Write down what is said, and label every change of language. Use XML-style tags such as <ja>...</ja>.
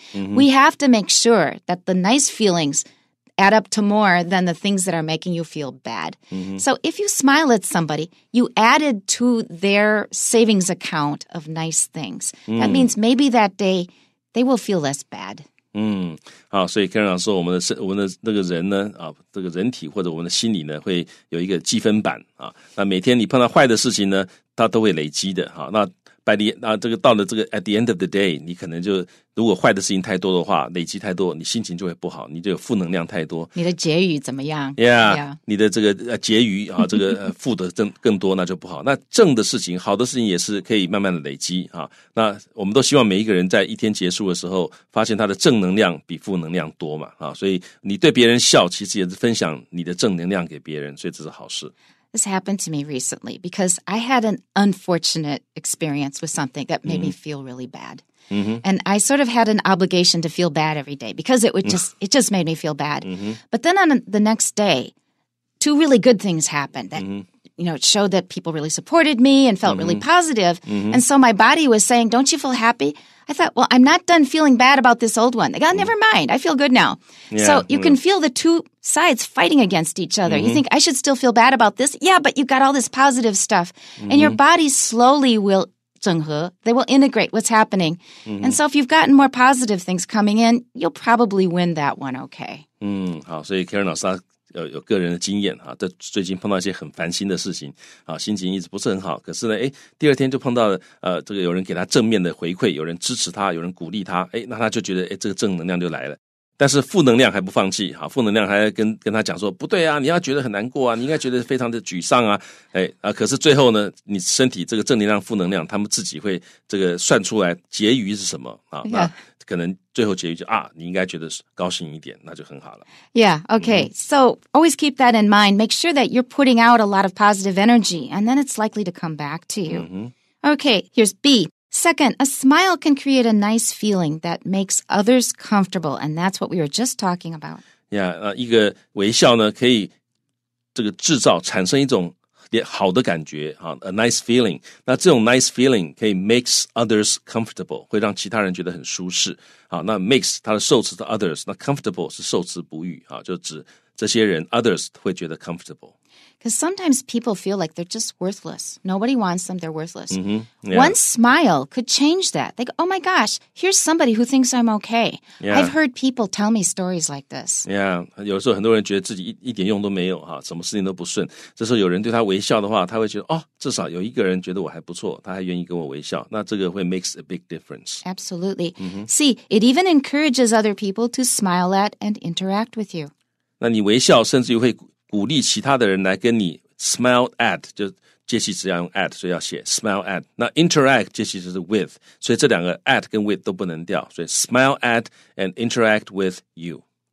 <en>We have to make sure that the nice feelings add up to more than the things that are making you feel bad. So if you smile at somebody, you added to their savings account of nice things. That means maybe that day they will feel less bad.</en> <zh>好，所以科长说我们的那个人呢，这个人体或者我们的心理呢，会有一个积分板啊。那每天你碰到坏的事情呢，它都会累积的哈。那这个到了这个</zh> <en>at the end of the day，</en> <zh>你可能就如果坏的事情太多的话，累积太多，你心情就会不好，你就有负能量太多。你的结余怎么样？</zh> <en>Yeah，</en> <zh>你的这个结余啊，这个负的更多，那就不好。那正的事情，好的事情也是可以慢慢的累积啊。那我们都希望每一个人在一天结束的时候，发现他的正能量比负能量多嘛啊。所以你对别人笑，其实也是分享你的正能量给别人，所以这是好事。</zh> <en>This happened to me recently because I had an unfortunate experience with something that made me feel really bad. And I sort of had an obligation to feel bad every day because it would just, it just made me feel bad. But then on the next day, two really good things happened that, you know, it showed that people really supported me and felt really positive. And so my body was saying, don't you feel happy? I thought, well, I'm not done feeling bad about this old one. They go, never mind. I feel good now. Yeah, so you can feel the two sides fighting against each other. You think, I should still feel bad about this. Yeah, but you got all this positive stuff. And your body slowly will 整合, they will integrate what's happening. And so if you've gotten more positive things coming in, you'll probably win that one okay.</en> <zh>好，所以 Karen 老师有个人的经验哈，在最近碰到一些很烦心的事情啊，心情一直不是很好。可是呢，哎，第二天就碰到这个有人给他正面的回馈，有人支持他，有人鼓励他，哎，那他就觉得哎，这个正能量就来了。但是负能量还不放弃啊，负能量还跟他讲说不对啊，你要觉得很难过啊，你应该觉得非常的沮丧啊，哎啊，可是最后呢，你身体这个正能量、负能量，他们自己会这个算出来结余是什么啊？</zh> <en>Yeah.</en> <zh>那可能最后结局就啊，你应该觉得高兴一点，那就很好了。</zh> <en>Yeah, okay. So always keep that in mind. Make sure that you're putting out a lot of positive energy, and then it's likely to come back to you. Okay, here's B. Second, a smile can create a nice feeling that makes others comfortable, and that's what we were just talking about. Yeah,</en> <zh>一个微笑呢，可以这个制造产生一种好的感觉啊 ，</zh> <en>a nice feeling.</en> <zh>那这种 nice feeling 可以</zh> <en>makes others comfortable，</en> <zh>会让其他人觉得很舒适啊。那 makes 它的受词是 others， 那 comfortable 是受词补语啊，就指这些人 others 会觉得 comfortable。</zh> <en>Because sometimes people feel like they're just worthless. Nobody wants them. They're worthless. Yeah. One smile could change that. They go, oh my gosh, here's somebody who thinks I'm okay. Yeah. I've heard people tell me stories like this. Yeah,</en> <zh>有时候很多人觉得自己 一点用都没有，什么事情都不顺。这时候有人对他微笑的话，他会觉得，哦，至少有一个人觉得我还不错，他还愿意跟我微笑。那这个会</zh> <en>makes a big difference. Absolutely. See, it even encourages other people to smile at and interact with you.</en> <zh>那你微笑甚至于会鼓励其他的人来跟你 smile at， 就介系词要用 at， 所以要写 smile at。那 interact 介系词是 with， 所以这两个 at 跟 with 都不能掉，所以</zh> <en>smile at and interact with you.</en>